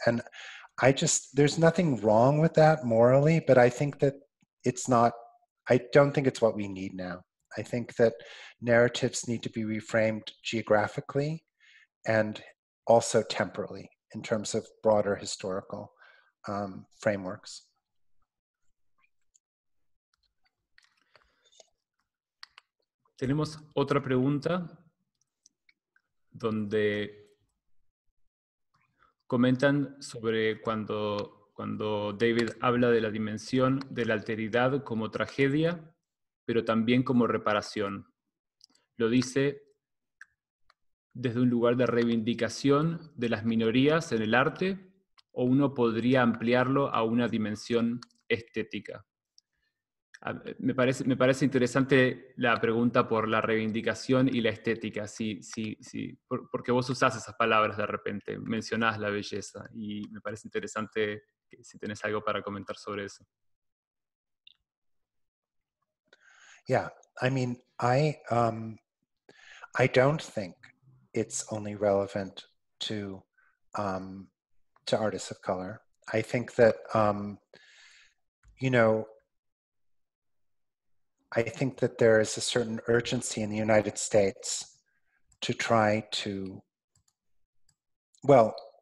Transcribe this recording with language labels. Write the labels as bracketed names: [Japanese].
[English] And I just, there's nothing wrong with that morally, but I think that it's not, I don't think it's what we need now. I think that narratives need to be reframed geographically and also temporally in terms of broader historical frameworks. [Spanish] Tenemos otra pregunta donde comentan sobre cuando David habla de la dimensión de la alteridad como tragedia, pero también como reparación. Lo dice desde un lugar de reivindicación de las minorías en el arte, o uno podría ampliarlo a una dimensión estética. Me parece interesante la pregunta por la reivindicación y la estética, sí, porque vos usás esas palabras de repente, mencionás la belleza, y me parece interesante que, si tenés algo para comentar sobre eso. [English] Yeah, I mean, I don't think it's only relevant to artists of color. I think that, you know, I think that there is a certain urgency in the United States to try to, well,